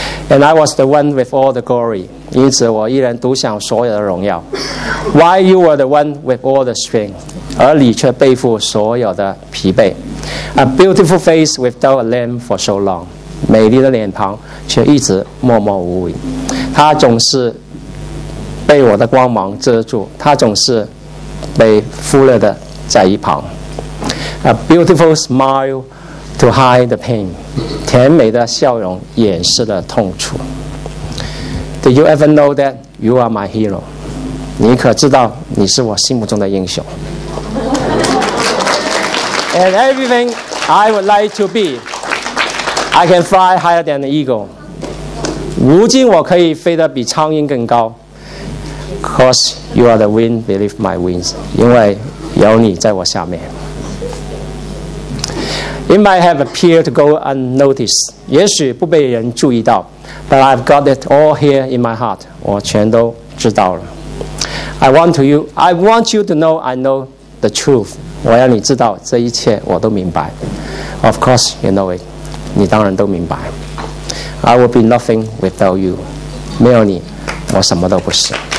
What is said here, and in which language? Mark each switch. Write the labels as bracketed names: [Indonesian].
[English] And I was the one with all the glory. [Chinese] 因此我一人独享所有的荣耀。 [English] Why you were the one with all the strength. [Chinese] 而你却背负所有的疲惫。 [English] A beautiful face without a limb for so long. [Chinese] 美丽的脸庞却一直默默无闻，他总是被我的光芒遮住，他总是被忽略的在一旁。 [English] A beautiful smile to hide the pain， [Chinese] 甜美的笑容掩饰了痛楚。 [English] Do you ever know that you are my hero？ [Chinese] 你可知道你是我心目中的英雄。 [English] And everything I would like to beI can fly higher than the eagle. [Chinese] 如今我可以飞得比苍蝇更高。 [English] Cause you are the wind beneath my wings. [Chinese] 因为有你在我下面。 [English] It might have appeared to go unnoticed. [Chinese] 也许不被人注意到。 [English] But I've got it all here in my heart. [Chinese] 我全都知道了。 [English] I want you to know I know the truth. [Chinese] 我要你知道这一切我都明白。 [English] Of course you know it. [Chinese] 你当然都明白。 [English] I will be nothing without you， [Chinese] 没有你我什么都不是。